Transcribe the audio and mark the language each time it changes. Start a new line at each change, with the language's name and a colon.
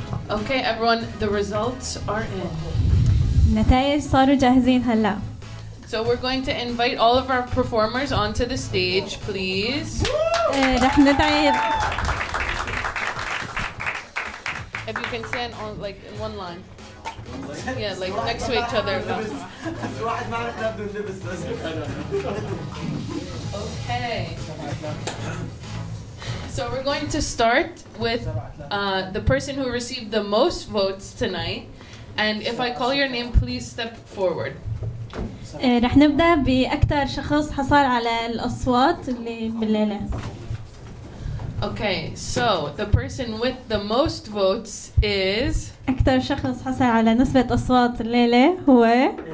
English: Okay, everyone, the results are in.
Arabic: النتائج صاروا جاهزين هلا.
English: So we're going to invite all of our performers onto the stage, please.
Arabic: رح ندعي.
English: If you can stand on, like, in one line. Yeah, like next to each other. Okay. So we're going to start with the person who received the most votes tonight. And if I call your name, please step forward.
Arabic: رح نبدأ بأكثر شخص حصل على الأصوات اللي بالليلة.
English: Okay, so the person with the most votes is.
Arabic: أكثر شخص حصل على نسبة أصوات الليلة هو.